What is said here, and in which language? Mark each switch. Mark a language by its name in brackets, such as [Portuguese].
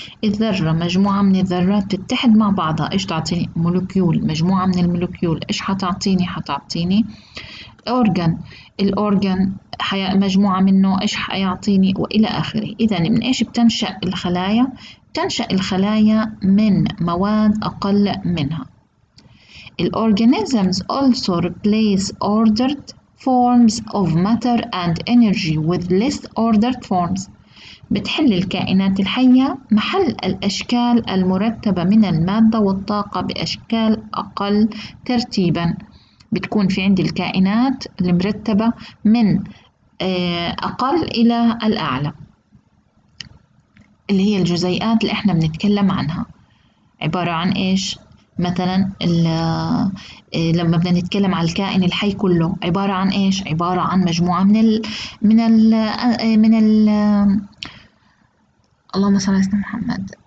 [Arabic] الذرة مجموعة من الذرات تتحد مع بعضها، إيش تعطيني؟ مولوكيول. مجموعة من المولوكيول إيش حتعطيني؟ حتعطيني أورجان. الأورجان مجموعة منه إيش حيعطيني؟ وإلى آخره. إذن من إيش بتنشأ الخلايا؟ تنشأ الخلايا من مواد أقل منها. [English] الأورغانيزمز also replace ordered forms of matter and energy with less ordered forms. [Arabic] بتحل الكائنات الحية محل الأشكال المرتبة من المادة والطاقة بأشكال أقل ترتيبا. بتكون في عندي الكائنات المرتبة من أقل إلى الأعلى، اللي هي الجزيئات اللي احنا بنتكلم عنها، عبارة عن ايش؟ مثلا لما بدنا نتكلم على الكائن الحي كله، عبارة عن ايش؟ عبارة عن مجموعة من الـ من الـ من الـ اللهم صل على سيدنا محمد.